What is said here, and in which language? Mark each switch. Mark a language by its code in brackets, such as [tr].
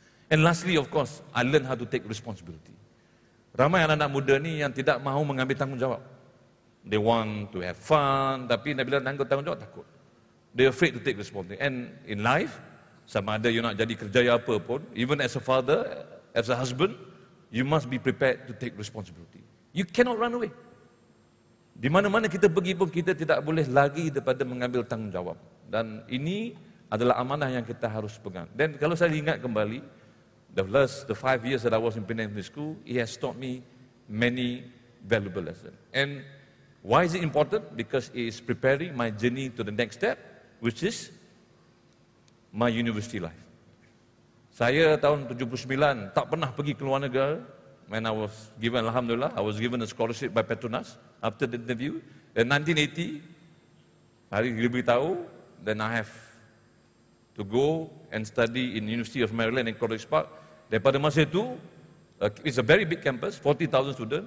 [en] And lastly, of course, I learned how to take responsibility. [ms] Ramai anak-anak muda ni yang tidak mahu mengambil tanggungjawab. [en] They want to have fun, [ms] tapi bila nanggut tanggungjawab, takut. [en] They're afraid to take responsibility. And in life, [ms] sama ada you nak jadi kerjaya apa pun, [en] even as a father, as a husband, you must be prepared to take responsibility. You cannot run away. [ms] Di mana-mana kita pergi pun, kita tidak boleh lari daripada mengambil tanggungjawab. Dan ini adalah amanah yang kita harus pegang. Dan kalau saya ingat kembali, [en] the 5 years that I was in Penang School, it has taught me many valuable lessons. And why is it important? Because it is preparing my journey to the next step, which is my university life. [ms] Saya tahun 79 tak pernah pergi ke luar negara. [en] When I was given, Alhamdulillah, I was given a scholarship by Petronas after the interview. In 1980, [ms] hari dia beritahu, [en] then I have to go and study in University of Maryland in College Park. [ms] Daripada masa itu, [en] it's a very big campus, 40,000 students.